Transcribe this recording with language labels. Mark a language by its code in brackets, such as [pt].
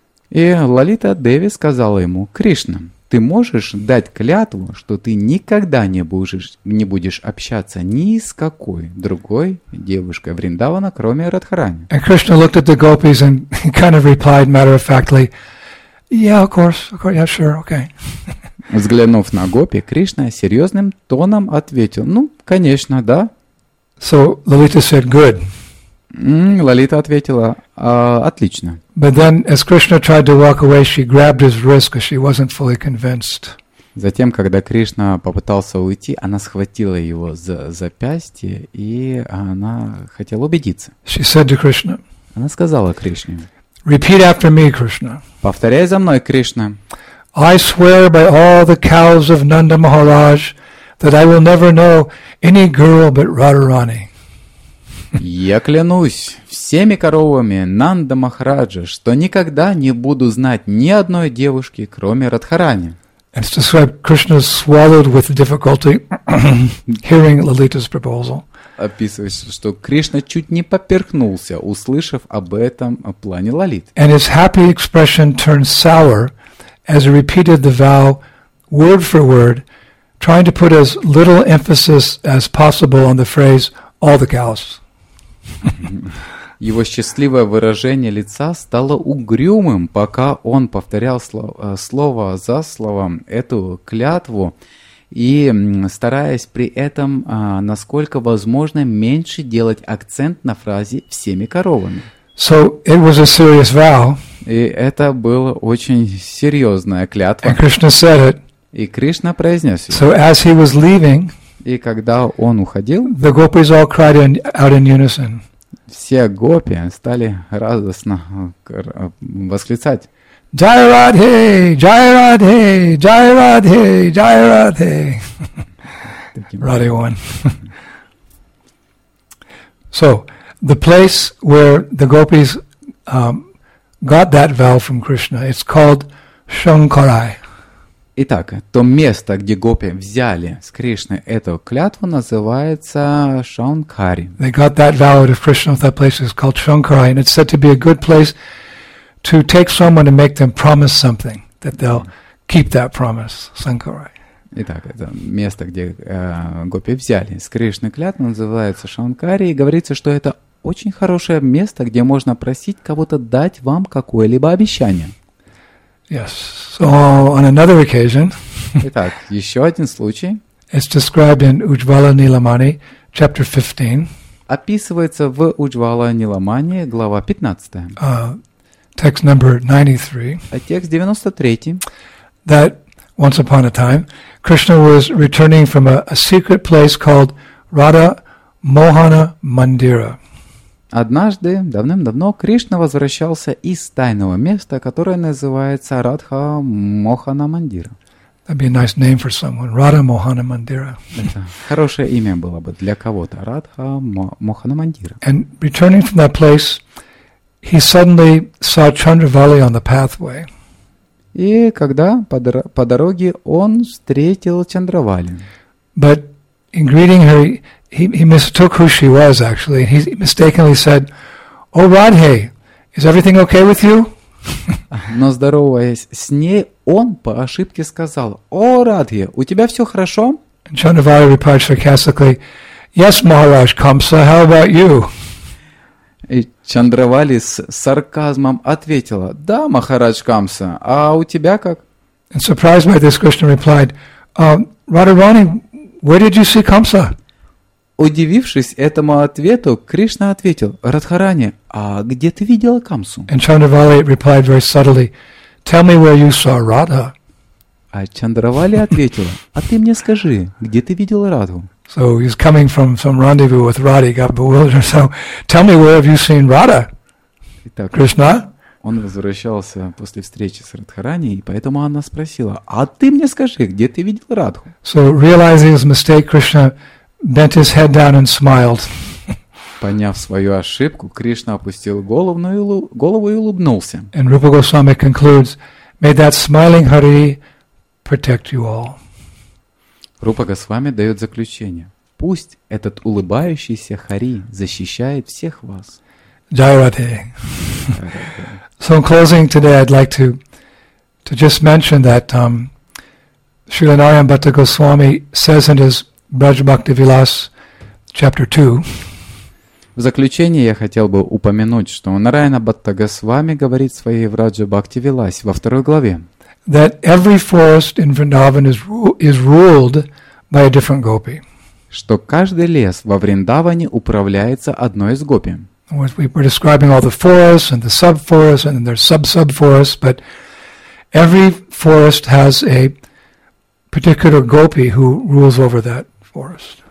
[ru] И Лалита Деви сказала ему, Кришна, ты можешь дать клятву, что ты никогда не будешь общаться ни с какой другой девушкой Вриндавана, кроме Радхарани? [en] And Krishna looked at the gopis and kind of replied matter-of-factly, yeah, of course, yeah, sure, okay. [ru] Взглянув на гопи, Кришна серьезным тоном ответил, ну, конечно, да. [en] So Lalita said, good. [ru] Лалита ответила, отлично. [en] But then, as Krishna tried to walk away, she grabbed his wrist because she wasn't fully convinced. [ru] Затем, когда Кришна попытался уйти, она схватила его за запястье, и она хотела убедиться. [en] She said to Krishna. [ru] Она сказала Кришне. [en] Repeat after me, Krishna. [ru] Повторяй за мной, Кришна. [en] I swear by all the cows of Nanda Maharaj that I will never know any girl but Radharani. [ru] Я клянусь всеми коровами Нанда Махараджа, что никогда не буду знать ни одной девушки, кроме Радхарани. [en] It's described Krishna swallowed with difficulty hearing Lalita's proposal. [ru] Описывается, что Кришна чуть не поперхнулся, услышав об этом плане Лалиты. [en] And his happy expression turned sour as he repeated the vow word for word, trying to put as little emphasis as possible on the phrase all the cows. [ru] Его счастливое выражение лица стало угрюмым, пока он повторял слово за словом эту клятву и стараясь при этом, насколько возможно, меньше делать акцент на фразе «всеми коровами». [en] So it was a serious vow. [ru] И это была очень серьезная клятва. [en] And Krishna said it. [ru] И Кришна произнес ее. [en] So as he was leaving, [ru] и когда он уходил, [en] the gopis all cried out in unison. [ru] Все гопи стали радостно восклицать. [en] Jai Radhe, Jai Radhe, Jai Radhe, Jai Radhe. Radhe won. So, the place where the gopis got that vow from Krishna, it's called Shankarai. [ru] Итак, то место, где гопи взяли с Кришны эту клятву, называется Шанкари. [en] They got that vow out of Krishna. That place is called Shankari, and it's said to be a good place to take someone and make them promise something that they'll keep that promise. Shankari. [ru] Итак, это место, где гопи взяли с Кришны клятву, называется Шанкари, и говорится, что это очень хорошее место, где можно просить кого-то дать вам какое-либо обещание. [en] Yes. So on another occasion. [ru] Итак, еще один случай. [en] is described in Ujjvala Nilamani, chapter 15. [ru] Описывается в Ujjvala Nilamani, глава 15. [en] Text number 93. [ru] Текст 93. [en] That once upon a time, Krishna was returning from a secret place called Radha Mohana Mandira. [ru] Однажды, давным-давно, Кришна возвращался из тайного места, которое называется Радха Мохана Мандира. [en] That'd be a nice name for someone. Radha Mohana Mandira. [ru] Это хорошее имя было бы для кого-то. Радха Мохана Мандира. [en] And returning from that place, he suddenly saw Chandravali on the pathway. [ru] И когда по дороге он встретил Чандравали. [en] But in greeting her, he mistook who she was, actually. He mistakenly said, "Oh, Radhe, is everything okay with you?" [ru] Но здороваясь с ней, он по ошибке сказал, "О, Радхе, у тебя все хорошо?" [en] And Chandravali replied sarcastically, "Yes, Maharaj Kamsa, how about you?" [ru] И Чандравали с сарказмом ответила, "Да, Махарадж Камса, а у тебя как?" [en] And surprised by this, Krishna replied, "Radharani, where did you see Kamsa?" [ru] Удивившись этому ответу, Кришна ответил, "Радхарани, а где ты видела Камсу?" [en] And Chandravali replied very subtly, "Tell me where you saw Radha." [ru] А Чандравали ответила, "А ты мне скажи, где ты видела Радху?" [en] So he's coming from some rendezvous with Radha, he got bewildered. So, tell me, where have you seen Radha? [ru] Итак, [en] Krishna? [ru] Он возвращался после встречи с Радхарани, и поэтому она спросила, а ты мне скажи, где ты видел Радху? [en] So, realizing his mistake, Krishna bent his head down and smiled. [ru] Поняв свою ошибку, Кришна опустил голову и улыбнулся. [en] And Rupa Goswami concludes, may that smiling Hari protect you all. [ru] Рупа Госвами дает заключение. Пусть этот улыбающийся Хари защищает всех вас. [en] Jai Radhe. So in closing today, I'd like to just mention that Srila Narayana Bhatta Goswami says in his Braj Bhakti Vilas, chapter 2. [ru] В заключение я хотел бы упомянуть, что Нараяна Бхатта Госвами говорит в своей Враджа Бхакти Вилас во второй главе. [en] That every forest in Vrindavan is ruled by a different gopi. [ru] Что каждый лес во Вриндаване управляется одной из гопи. [en] We're describing all the forests and the sub-forests and there's sub-sub-forests, but every forest has a particular gopi who rules over that forest.